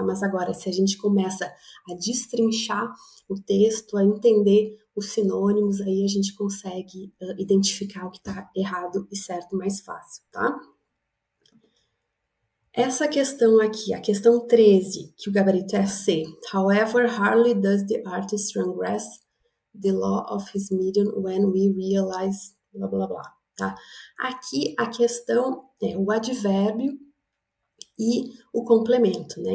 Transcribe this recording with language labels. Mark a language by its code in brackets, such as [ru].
[pt] Mas agora, se a gente começa a destrinchar o texto, a entender os sinônimos, aí a gente consegue identificar o que está errado e certo mais fácil, tá? Essa questão aqui, a questão 13, que o gabarito é C. [en] However, hardly does the artist transgress the law of his medium when we realize [pt] blá blá blá, tá? Aqui a questão é o advérbio e o complemento, né?